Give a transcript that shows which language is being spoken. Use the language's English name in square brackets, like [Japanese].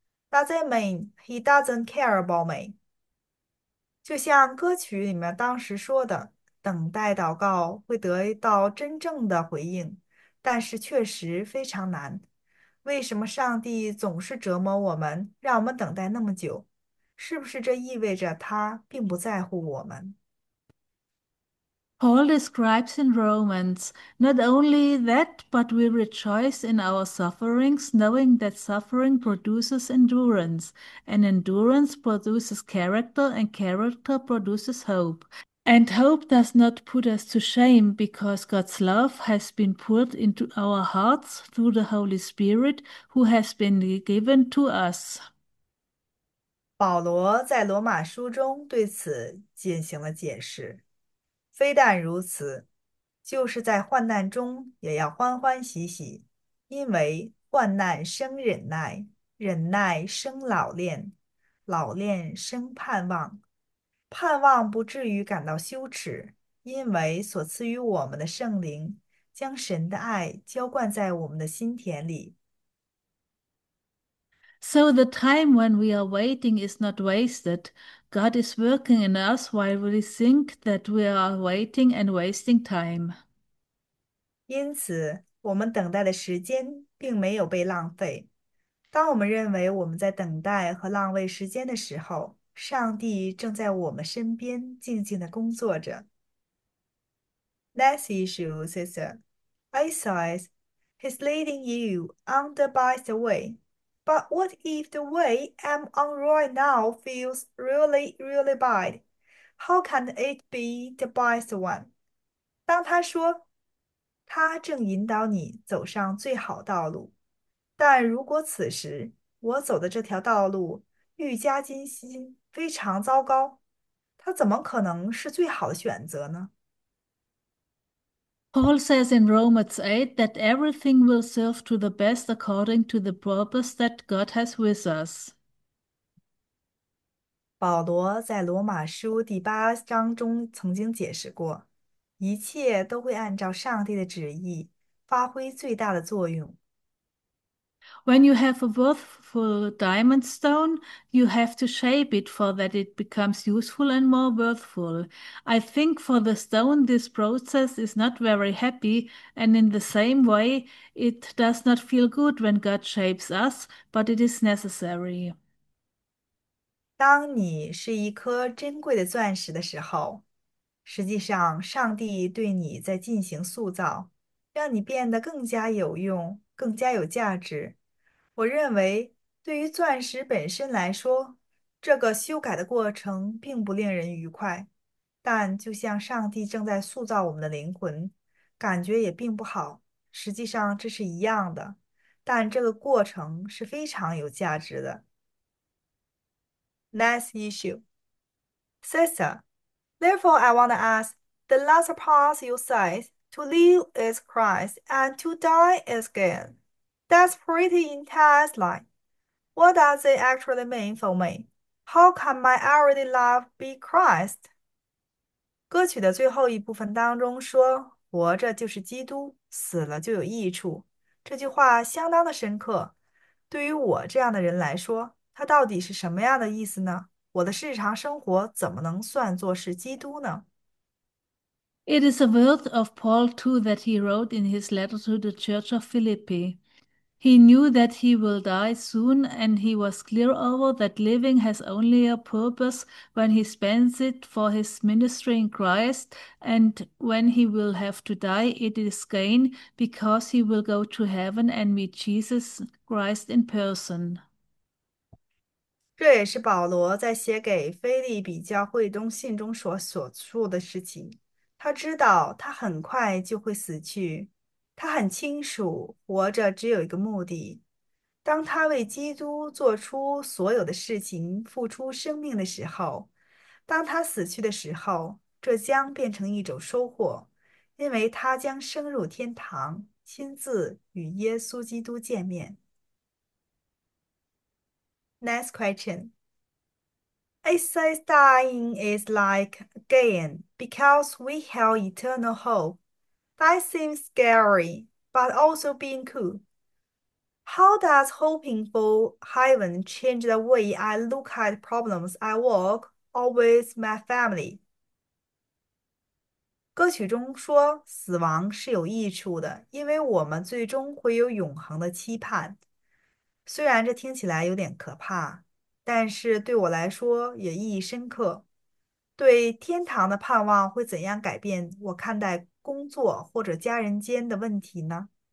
[English] Does it mean he doesn't care about me? [Chinese] 就像歌曲里面当时说的，等待祷告会得到真正的回应，但是确实非常难。为什么上帝总是折磨我们，让我们等待那么久？是不是这意味着他并不在乎我们？ [English] Paul describes in Romans not only that, but we rejoice in our sufferings, knowing that suffering produces endurance, and endurance produces character, and character produces hope. And hope does not put us to shame, because God's love has been poured into our hearts through the Holy Spirit, who has been given to us. [Chinese] 保罗在罗马书中对此进行了解释。非但如此，就是在患难中也要欢欢喜喜，因为患难生忍耐，忍耐生老练，老练生盼望，盼望不至于感到羞耻，因为所赐予我们的圣灵将神的爱浇灌在我们的心田里。 [English] So the time when we are waiting is not wasted. God is working in us while we think that we are waiting and wasting time. [Chinese] 因此，我们等待的时间并没有被浪费。当我们认为我们在等待和浪费时间的时候，上帝正在我们身边静静的工作着。 [English] Next issue, sister. I says, he's leading you on the best way. But what if the way I'm on right now feels really, really bad? How can it be the best one? [Chinese] 当他说，他正引导你走上最好道路，但如果此时我走的这条道路愈加艰辛，非常糟糕，它怎么可能是最好的选择呢？ [English] Paul says in Romans 8 that everything will serve to the best according to the purpose that God has with us. [Chinese] 保罗在罗马书第八章中曾经解释过，一切都会按照上帝的旨意发挥最大的作用。 [English] When you have a worthful diamond stone, you have to shape it for that it becomes useful and more worthful. I think for the stone, this process is not very happy, and in the same way, it does not feel good when God shapes us, but it is necessary. [Chinese] 当你是一颗珍贵的钻石的时候，实际上，上帝对你在进行塑造，让你变得更加有用、更加有价值。我认为，对于钻石本身来说，这个修改的过程并不令人愉快，但就像上帝正在塑造我们的灵魂，感觉也并不好。实际上，这是一样的，但这个过程是非常有价值的。 [English] Next issue. Sister, therefore I want to ask, the last part you said, to live is Christ and to die is gain. That's pretty intense line. What does it actually mean for me? How can my everyday life be Christ? [Chinese] 歌曲的最后一部分当中说，活着就是基督，死了就有益处。这句话相当的深刻，对于我这样的人来说。它到底是什么样的意思呢？我的日常生活怎么能算作是基督呢？ [English] It is a word of Paul too that he wrote in his letter to the Church of Philippi. He knew that he will die soon, and he was clear over that living has only a purpose when he spends it for his ministry in Christ, and when he will have to die, it is gain because he will go to heaven and meet Jesus Christ in person. [Chinese] 这也是保罗在写给腓立比教会中信中所述的事情。他知道他很快就会死去，他很清楚活着只有一个目的。当他为基督做出所有的事情、付出生命的时候，当他死去的时候，这将变成一种收获，因为他将升入天堂，亲自与耶稣基督见面。 [English] Next question. It says dying is like gain because we have eternal hope. That seems scary, but also being cool. How does hoping for heaven change the way I look at problems I work or with my family? [Chinese] 歌曲中说，死亡是有益处的，因为我们最终会有永恒的期盼。虽然这听起来有点可怕，但是对我来说也意义深刻。对天堂的盼望会怎样改变我看待工作或者家人间的问题呢？